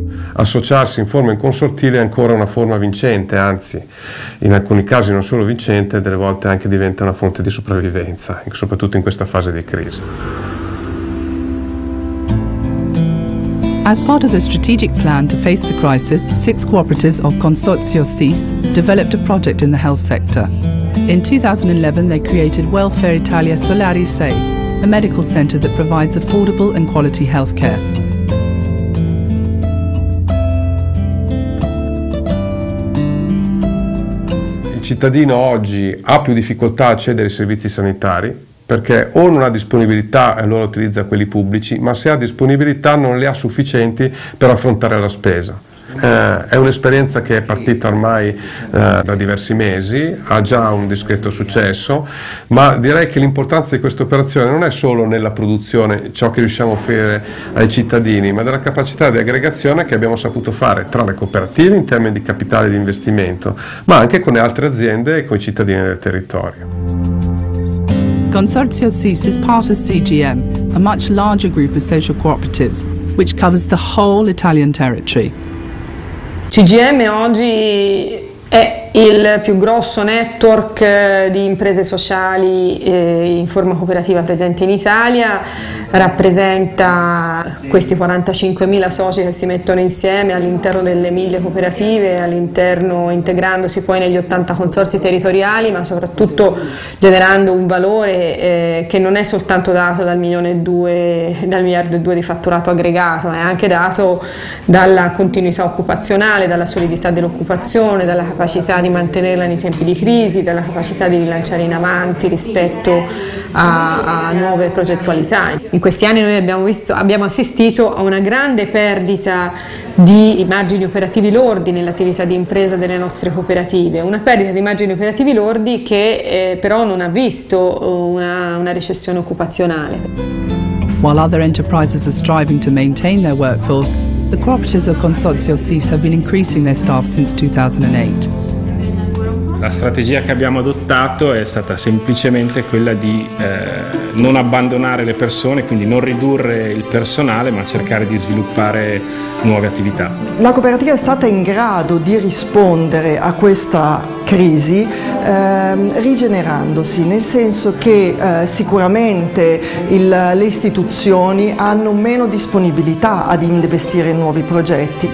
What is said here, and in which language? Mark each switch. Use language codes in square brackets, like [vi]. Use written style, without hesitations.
[it] Associarsi in forma in consortile è ancora una forma vincente, anzi in alcuni casi non solo vincente, delle volte anche diventa una fonte di sopravvivenza, soprattutto in questa fase di crisi. [en] As part of the strategic plan to face the crisis, 6 cooperatives of Consorzio SIS developed a project in the health sector. In 2011 they created Welfare Italia Solari SEI, a medical center that provides affordable and quality healthcare. [it] Il cittadino oggi ha più difficoltà a accedere ai servizi sanitari perché o non ha disponibilità e allora utilizza quelli pubblici, ma se ha disponibilità non le ha sufficienti per affrontare la spesa. È un'esperienza che è partita ormai da diversi mesi, ha già un discreto successo, ma direi che l'importanza di questa operazione non è solo nella produzione, ciò che riusciamo a offrire ai cittadini, ma della capacità di aggregazione che abbiamo saputo fare tra le cooperative in termini di capitale di investimento, ma anche con le altre aziende e con i cittadini del territorio. [en] Consorzio SIS is part of CGM, a much larger group of social cooperatives, which covers the whole Italian territory. [it] CGM oggi è il più grosso network di imprese sociali in forma cooperativa presente in Italia, rappresenta questi 45.000 soci che si mettono insieme all'interno delle 1.000 cooperative, all'interno integrandosi poi negli 80 consorzi territoriali, ma soprattutto generando un valore che non è soltanto dato dal 1.2 miliardi di fatturato aggregato, ma è anche dato dalla continuità occupazionale, dalla solidità dell'occupazione, dalla capacità di mantenerla nei tempi di crisi, dalla capacità di rilanciare in avanti rispetto a nuove progettualità. In questi anni noi abbiamo assistito a una grande perdita di margini operativi lordi nell'attività di impresa delle nostre cooperative, una perdita di margini operativi lordi che però non ha visto una recessione occupazionale. [en] While other enterprises are striving to maintain their workforce, the cooperatives of Consorzio SIS have been increasing their staff since 2008. [it] La strategia che abbiamo adottato è stata semplicemente quella di non abbandonare le persone, quindi non ridurre il personale, ma cercare di sviluppare nuove attività. La cooperativa è stata in grado di rispondere a questa crisi rigenerandosi, nel senso che sicuramente le istituzioni hanno meno disponibilità ad investire in nuovi progetti.